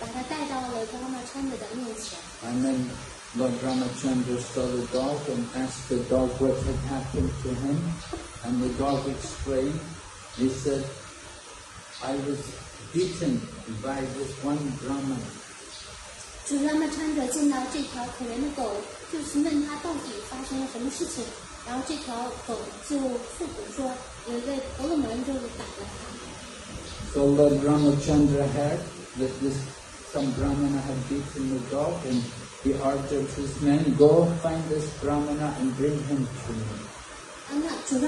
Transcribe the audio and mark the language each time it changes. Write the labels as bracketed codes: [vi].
[en] And then Lord Ramachandra saw the dog and asked the dog what had happened to him. And the dog explained. He said, I was beaten by this one Brahmin. [zh] 主拉玛昌德见到这条可怜的狗，就询问他到底发生了什么事情，然后这条狗就复古说，有一位婆罗门就打了他。 [en] So Lord Ramachandra heard that this some Brahmana had beaten the dog, and he ordered his men, go find this Brahmana and bring him to me.